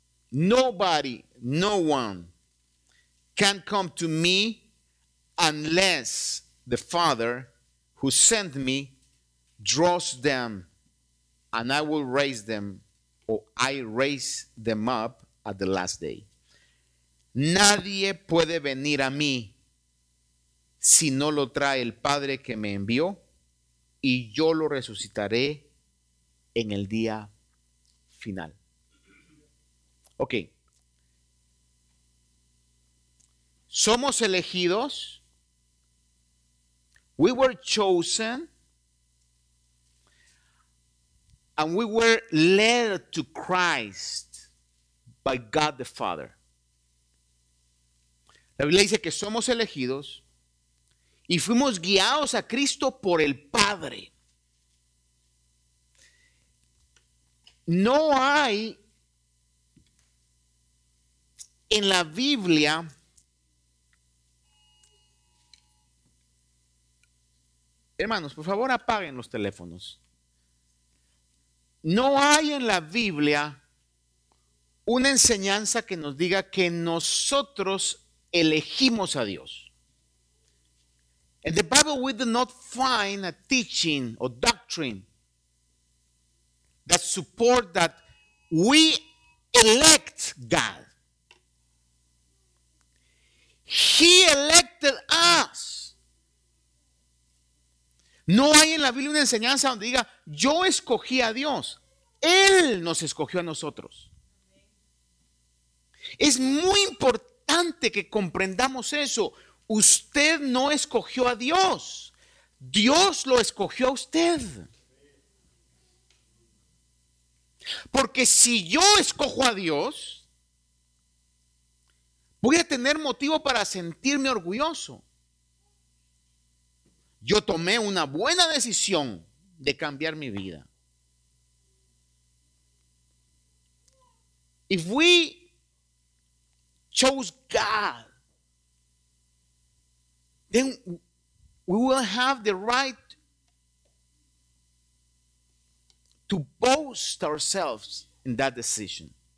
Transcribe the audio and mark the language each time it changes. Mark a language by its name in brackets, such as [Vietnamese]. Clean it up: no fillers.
[English] No one can come to me unless the Father who sent me draws them, and I will raise them, or I raise them up at the last day. [Spanish] Nadie puede venir a mí si no lo trae el Padre que me envió, y yo lo resucitaré en el día final. Ok. Somos elegidos. [English] We were chosen. And we were led to Christ by God the Father. [Spanish] La Biblia dice que somos elegidos y fuimos guiados a Cristo por el Padre. No hay en la Biblia hermanos, por favor apaguen los teléfonos. No hay en la Biblia una enseñanza que nos diga que nosotros elegimos a Dios. [English] In the Bible we do not find a teaching or doctrine that support that we elect God. He elected us. [Spanish] No hay en la Biblia una enseñanza donde diga, yo escogí a Dios. Él nos escogió a nosotros. Es muy importante que comprendamos eso. Usted no escogió a Dios. Dios lo escogió a usted. Porque si yo escojo a Dios, voy a tener motivo para sentirme orgulloso. Yo tomé una buena decisión de cambiar mi vida. [English] If we chose God, then we will have the right to boast ourselves in that decision.